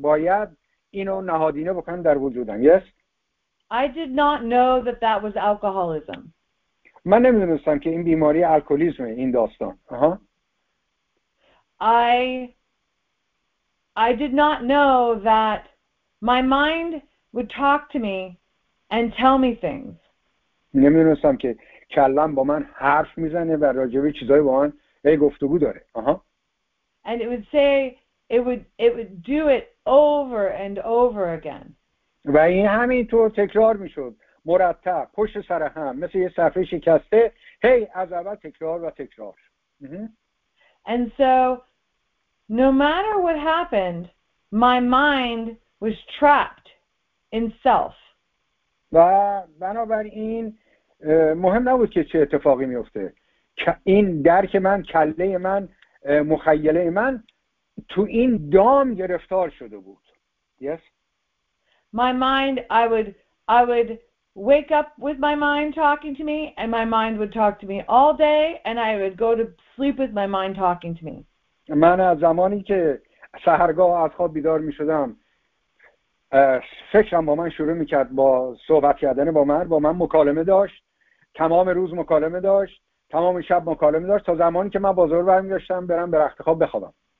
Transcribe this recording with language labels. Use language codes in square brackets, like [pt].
[fa] باید اینو نهادینه بکنم در وجودم. [en] Yes. I did not know that that was alcoholism. [fa] من نمی‌دونستم که این بیماری الکلیسمه این داستان. آها. [en] I did not know that my mind would talk to me and tell me things. [fa] نمی‌دونستم که کلم با من حرف میزنه و راجبه چیزای با من گفتگو داره. آها. [en] And it would say it would do it over and over again. [fa] و این همینطور تکرار میشد، مرتب پشت سر هم مثل یه صفحه شکسته، هی از اول تکرار و تکرار. [en] And so no matter what happened, my mind was trapped in self. [fa] و بنابراین مهم نبود که چه اتفاقی میفته، این درک من، کله من، مخیله من تو این دام گرفتار شده بود. [en] Yes. My mind, I would wake up with my mind talking to me, and my mind would talk to me all day, and I would go to sleep with my mind talking to me. [fa] من از زمانی که سحرگاه از خواب بیدار می شدم فکرم با من شروع می کرد، با صحبت کردن با من مکالمه داشت، تا تمام روز مکالمه داشت، تمام شب مکالمه داشت تا زمانی که من بازار رو برمی‌داشتم برم به رخت خواب بخوابم.